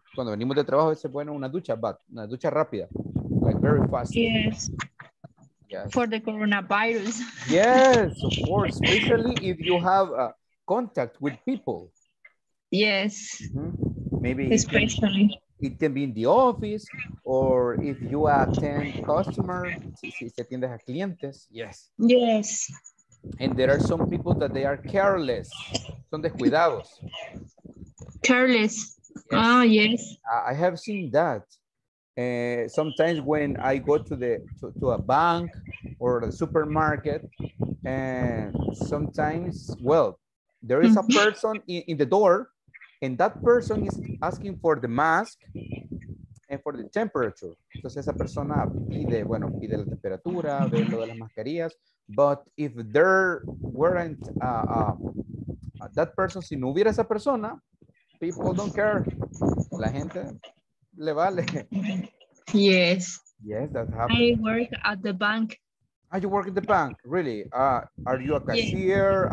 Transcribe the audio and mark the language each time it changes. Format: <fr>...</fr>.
<es>Cuando venimos de trabajo, es bueno una ducha rápida, like very fast.</es> <en>Yes. For the coronavirus. Yes, of course. Especially if you have a contact with people. Yes. Maybe especially it can be in the office or if you attend customers.</en> <es>Si se atiende a clientes. Yes. Yes.</es> <en>And there are some people that they are careless.</en> <es>Son descuidados.</es> <en>Careless. Ah, yes. I have seen that. Sometimes when I go to a bank or a supermarket, and sometimes, well, there is a person in the door, and that person is asking for the mask and for the temperature.</en> <es>Entonces esa persona pide, bueno, pide la temperatura, ve lo de las mascarillas.</es> <en>But if there weren't that person, si no hubiera esa persona, people don't care.</en> <es>La gente le vale.</es> <en>Yes. Yes, that happens. I work at the bank. Oh, you work at the bank, really? Are you a cashier? Yes.</en>